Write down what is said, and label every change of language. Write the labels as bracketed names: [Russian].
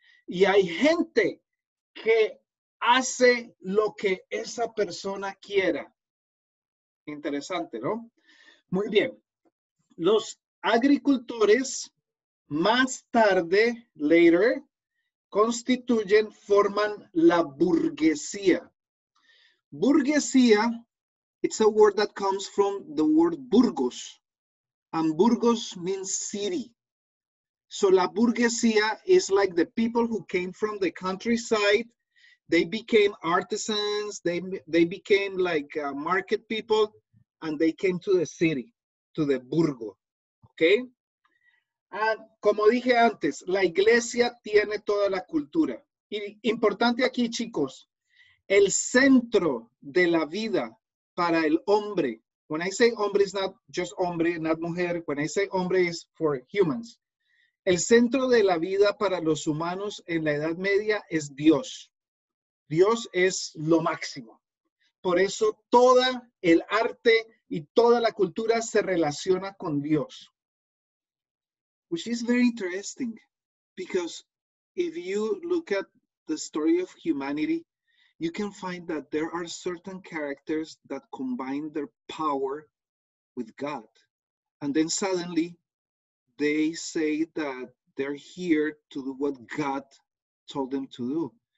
[Spanish] Y hay gente que hace lo que esa persona quiera. Interesante, ¿no? Muy bien. Los agricultores más tarde, [English] later, [Spanish] constituyen, forman la burguesía. [English] Burguesía, it's a word that comes from the word burgos. And burgos means city. So la burguesía is like the people who came from the countryside. They became artisans. They became like market people. And they came to the city, to the burgo. Okay? [Spanish] And como dije antes, la iglesia tiene toda la cultura. Y importante aquí, chicos. El centro de la vida para el hombre. [English] When I say hombre, it's not just hombre, not mujer. When I say hombre, it's for humans. [Spanish] El centro de la vida para los humanos en la Edad Media es Dios. Dios es lo máximo. Por eso todo el arte y toda la cultura se relaciona con Dios. [English] Which is very interesting. Because if you look at the story of humanity, you can find that there are certain characters that combine their power with God. And then suddenly, they say that they're here to do what God told them to do.